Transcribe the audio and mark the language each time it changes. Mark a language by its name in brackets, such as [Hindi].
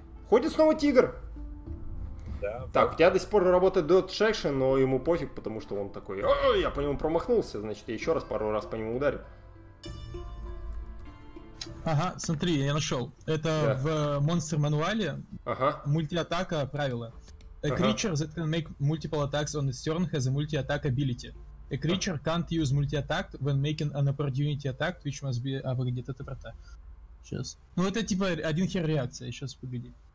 [Russian] Ходит снова тигр! Да, так, вот. У тебя до сих пор работает Dodge Action, но ему пофиг, потому что он такой: я по нему промахнулся, значит, я еще раз пару раз по нему ударю. Ага, смотри, я нашел. Это да. В Monster Manual'е. Ага. Мультиатака, правило. [English] A creature that can make multiple attacks on its turn has a multi-attack ability. A creature can't use multi-attack when making an opportunity attack, which must be... [Russian] А, погоди, это врата. Сейчас. Ну, это типа один хер реакция, сейчас, погоди.